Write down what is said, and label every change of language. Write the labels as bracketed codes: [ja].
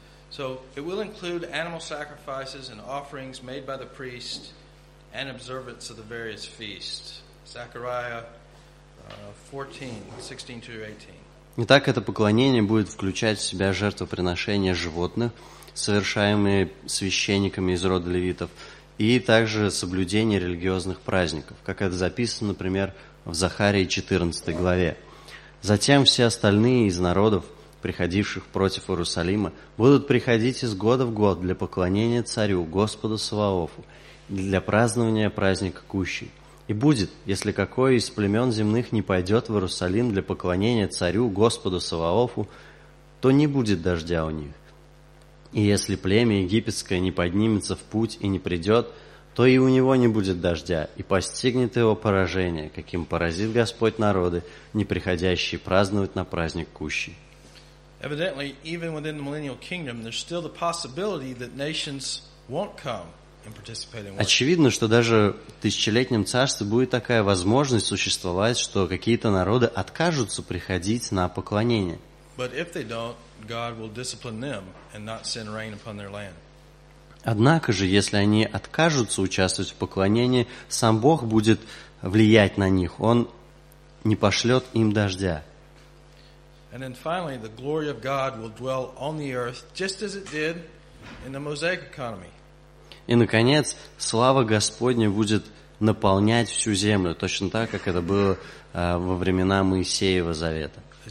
[en] So it will include animal sacrifices and offerings made by the priest and observance of the various feasts. Zechariah 14:16-18. [ru] Итак, это поклонение будет включать в себя жертвоприношения животных, совершаемые священниками из рода левитов, и также соблюдение религиозных праздников, как это записано, например, в Захарии 14 главе. Затем все остальные из народов, приходивших против Иерусалима, будут приходить из года в год для поклонения царю, Господу Саваофу, для празднования праздника Кущей. И будет, если какой из племен земных не пойдет в Иерусалим для поклонения царю, Господу Саваофу, то не будет дождя у них. И если племя египетское не поднимется в путь и не придет, то и у него не будет дождя, и постигнет его поражение, каким поразит Господь народы, не приходящие праздновать на праздник Кущей. [en] Evidently, even within the millennial kingdom, there's still the possibility that nations won't come and participate in worship. [ru] Очевидно, что даже в тысячелетнем царстве будет такая возможность существовать, что какие-то народы откажутся приходить на поклонение. [en] But if they don't, God will discipline them and not send rain upon their land. [ru] Однако же, если они откажутся участвовать в поклонении, сам Бог будет влиять на них. Он не пошлет им дождя. [en] And then finally, the glory of God will dwell on the earth just as it did in the Mosaic economy. [ru] И, наконец, слава Господня будет наполнять всю землю, точно так, как это было во времена Моисеева Завета.